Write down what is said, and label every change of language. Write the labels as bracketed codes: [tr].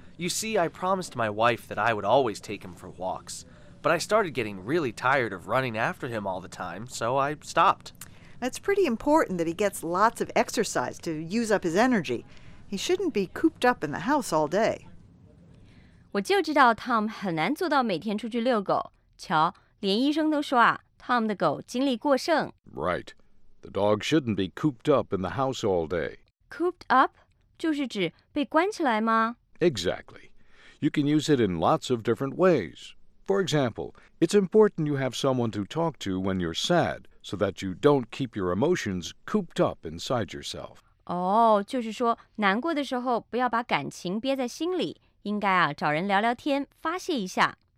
[en] You see, I promised my wife that I would always take him for walks, but I started getting really tired of running after him all the time, so I stopped. It's pretty important that he gets lots of exercise to use up his energy. He shouldn't be cooped up in the house all day. [zh] 我就知道 Tom 很难做到每天出去遛狗。瞧，连医生都说啊。Tom 的狗精力过剩。 [en] Right. The dog shouldn't be cooped up in the house all day. [zh] Cooped up? 就是指被关起来吗? [en] Exactly. You can use it in lots of different ways. For example, it's important you have someone to talk to when you're sad so that you don't keep your emotions cooped up inside yourself. [zh] 就是说难过的时候不要把感情憋在心里。应该啊找人聊聊天发泄一下。